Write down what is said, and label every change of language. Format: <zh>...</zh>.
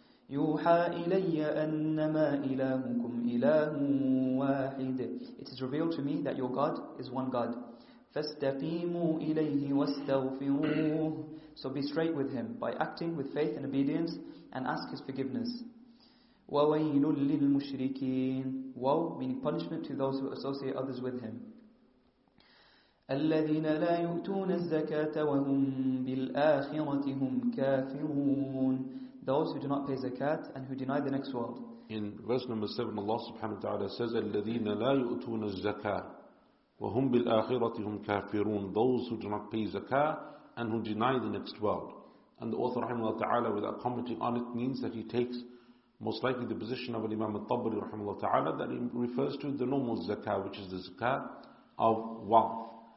<ar>يوحى إلي أنما إلهكم إله واحد.</ar> <en>It is revealed to me that your God is one God.</en> <ar>فاستقيموا إليه واستغفروه.</ar> <en>So be straight with him by acting with faith and obedience and ask his forgiveness.</en> <ar>وويل للمشركين.</ar> <en>Woe, meaning punishment to those who associate others with him.</en> <ar>الذين لا يؤتون الزكاة وهم بالآخرة هم كافرون.</ar> <en>Those who do not pay zakat and who deny the next world. In verse number 7, Allah subhanahu wa ta'ala says,</en> <ar>الَّذِينَ لَا يُؤْتُونَ الزَّكَاةِ وَهُمْ بِالْآخِرَةِ هُمْ كَافِرُونَ.</ar> <en>Those who do not pay zakat and who deny the next world. And the author,</en> <ar>رحمه الله تعالى,</ar> <en>without commenting on it, means that he takes most likely the position of Imam al-Tabari, رحمه الله تعالى, that he refers to the normal zakat, which is the zakat of wealth.</en>